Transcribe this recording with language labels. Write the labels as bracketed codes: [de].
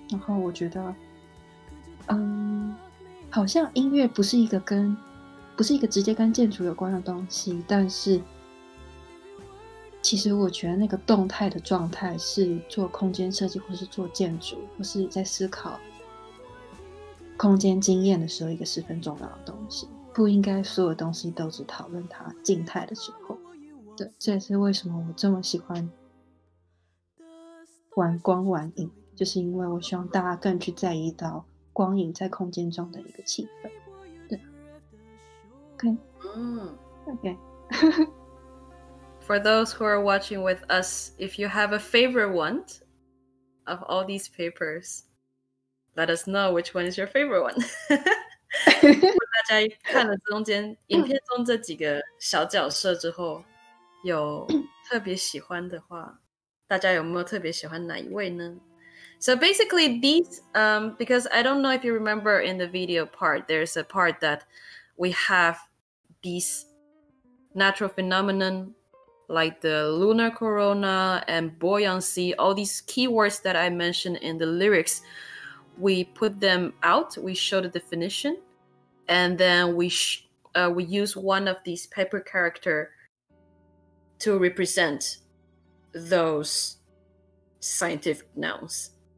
[zh] 然后我觉得，好像音乐不是一个直接跟建筑有关的东西，但是其实我觉得那个动态的状态是做空间设计或是做建筑或是在思考空间经验的时候一个十分重要的东西，不应该所有东西都只讨论它静态的时候。对，这也是为什么我这么喜欢玩光玩影，就是因为我希望大家更去在意到光影在空间中的一个气氛。对 ，OK，嗯，OK。 [en] For those who are watching with us, if you have a favorite one of all these papers, let us know which one is your favorite one. [zh] 大家看了中间影片中这几个小角色之后，有特别喜欢的话。大家有没有特别喜欢哪一位呢？ [en] So basically these, because I don't know if you remember in the video part, there's a part that we have these natural phenomenon like the lunar corona and buoyancy, all these keywords that I mentioned in the lyrics, we put them out, we show the definition, and then we use one of these paper character to represent those scientific nouns.